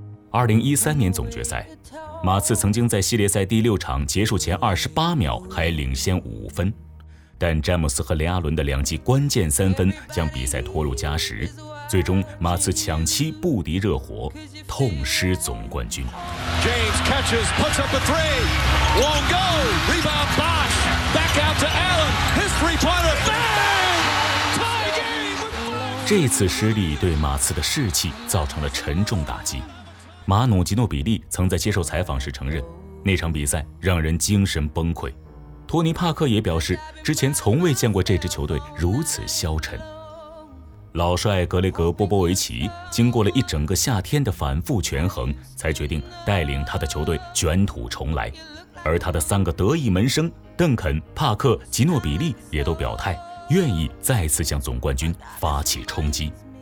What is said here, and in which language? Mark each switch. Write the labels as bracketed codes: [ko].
[zh] 2013年总决赛，马刺曾经在系列赛第六场结束前28秒还领先5分，但詹姆斯和雷阿伦的两记关键三分将比赛拖入加时。最终马刺抢七不敌热火，痛失总冠军。 [en] James catches, puts up a three, won't go, rebound Bosh, back out to Allen, his three-pointer, bang! Tie game! [zh] 这次失利对马刺的士气造成了沉重打击。马努吉诺比利曾在接受采访时承认，那场比赛让人精神崩溃。托尼帕克也表示，之前从未见过这支球队如此消沉。老帅格雷格·波波维奇经过了一整个夏天的反复权衡，才决定带领他的球队卷土重来，而他的三个得意门生邓肯、帕克、吉诺比利也都表态愿意再次向总冠军发起冲击。